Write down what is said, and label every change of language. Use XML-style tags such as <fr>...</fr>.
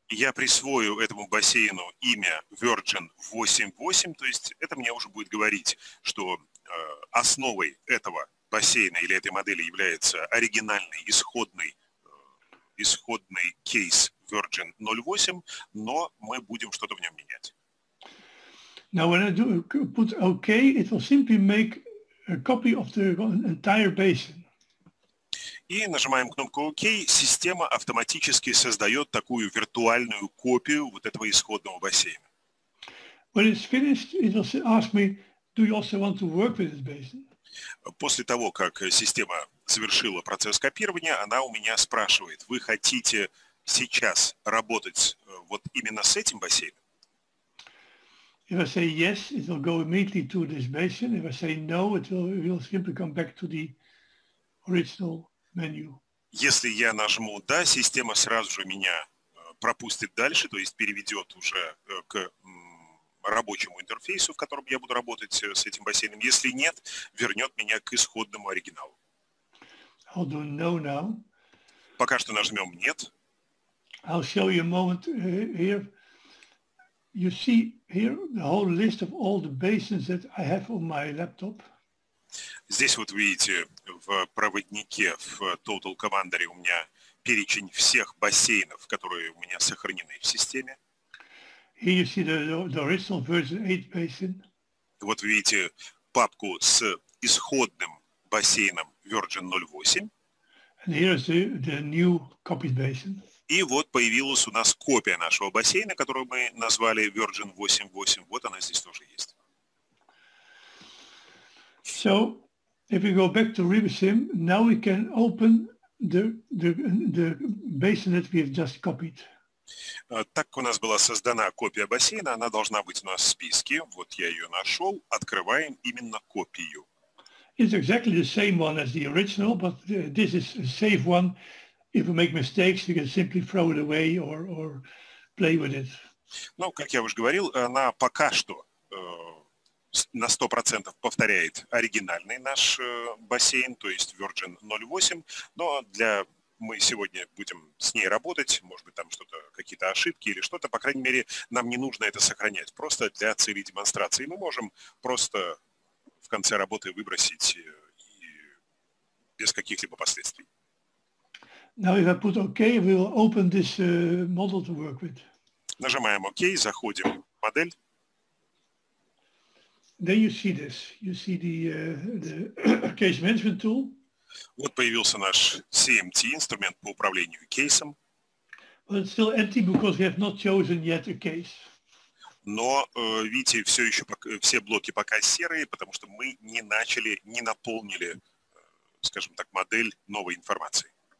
<ru>Я присвою этому бассейну имя Virgin 8.8, то есть это мне уже будет говорить, что основой этого бассейна или этой модели является оригинальный исходный кейс Virgin 08, но мы будем что-то в нем менять.</ru> <en>Now when I do put OK, it will simply make a copy of the entire basin.</en> <ru>И нажимаем кнопку OK, система автоматически создает такую виртуальную копию вот этого исходного бассейна.</ru> <en>When it's finished, it will ask me, do you also want to work with this basin?</en> <ru>После того, как система завершила процесс копирования, она у меня спрашивает, вы хотите сейчас работать вот именно с этим бассейном?</ru> <en>If I say yes, it will go immediately to this basin. If I say no, it will simply come back to the original menu.</en> <ru>Если я нажму да, система сразу же меня пропустит дальше, то есть переведет уже к рабочему интерфейсу, в котором я буду работать с этим бассейном. Если нет, вернет меня к исходному оригиналу.</ru> <en>I'll do no now.</en> <ru>Пока что нажмем нет.</ru> <en>I'll show you a moment here. You see here the whole list of all the basins that I have on my laptop.</en> <ru>Здесь вот видите в проводнике в Total Commander у меня перечень всех бассейнов, которые у меня сохранены в системе.</ru> <en>Here you see the original version 8 basin.</en> <ru>Вот видите папку с исходным бассейном Virgin 08.</ru> <en>And here is the new copied basin.</en> <ru>И вот появилась у нас копия нашего бассейна, которую мы назвали Virgin 8.8. Вот она здесь тоже есть.</ru> <en>So, if we go back to RiverSim, now we can open the basin that we have just copied.</en> <ru>Так как у нас была создана копия бассейна, она должна быть у нас в списке. Вот я ее нашел. Открываем именно копию.</ru> <en>It's exactly the same one as the original, but this is a safe one. If you make mistakes, you can simply throw it away or play with it.</en> <ru>Ну, как я уже говорил, она пока что на 100% повторяет оригинальный наш бассейн, то есть Virgin 08, но для мы сегодня будем с ней работать, может быть, там что-то, какие-то ошибки или что-то, по крайней мере, нам не нужно это сохранять, просто для цели демонстрации. Мы можем просто в конце работы выбросить и без каких-либо последствий.</ru> <en>Now if I put OK, we'll open this model to work with.</en> <ru>Нажимаем OK, заходим в модель.</ru> <en>Then you see this. You see the case management tool.</en> <ru>Вот появился наш CMT, инструмент по управлению кейсом.</ru> <en>But it's still empty because we have not chosen yet a case.</en> <ru>Но, видите, все еще все блоки пока серые, потому что мы не начали, не наполнили, скажем так, модель новой информацией.</ru>